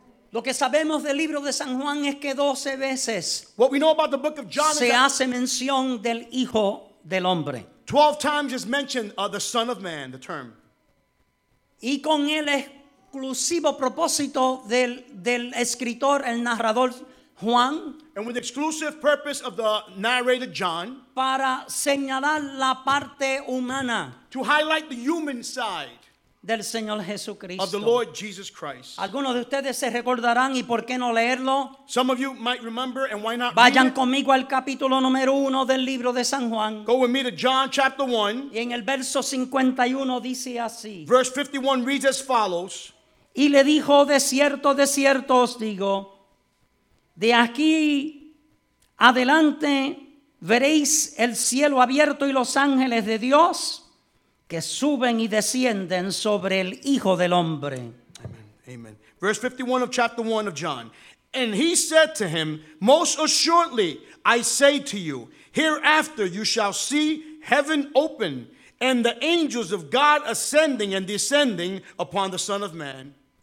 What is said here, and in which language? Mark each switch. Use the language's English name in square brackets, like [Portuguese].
[Spanish] Lo que sabemos del libro de San Juan es que 12 veces, [English] what we know about the book of John, [Spanish] se hace mención del Hijo del Hombre. [English] 12 times is mentioned the Son of Man, the term. [Spanish] Y con el exclusivo propósito del escritor, el narrador Juan, [English] and with the exclusive purpose of the narrator John, [Spanish] para señalar la parte humana, [English] to highlight the human side [Spanish] del Señor Jesucristo, [English] of the Lord Jesus Christ. [Spanish] Algunos de ustedes se recordarán, y por qué no leerlo. [English] Some of you might remember, and why not? [Spanish] Vayan conmigo al capítulo número 1 del libro de San Juan. [English] Go with me to John chapter 1. [Spanish] Y en el verso 51 dice así. [English] Verse 51 reads as follows. [Spanish] Y le dijo, de cierto os digo, de aquí adelante veréis el cielo abierto y los ángeles de Dios que suben y descienden sobre el Hijo del Hombre. [English] Amen. Amen. Verse 51 of chapter 1 of John. And he said to him, most assuredly, I say to you, hereafter you shall see heaven open and the angels of God ascending and descending upon the Son of Man.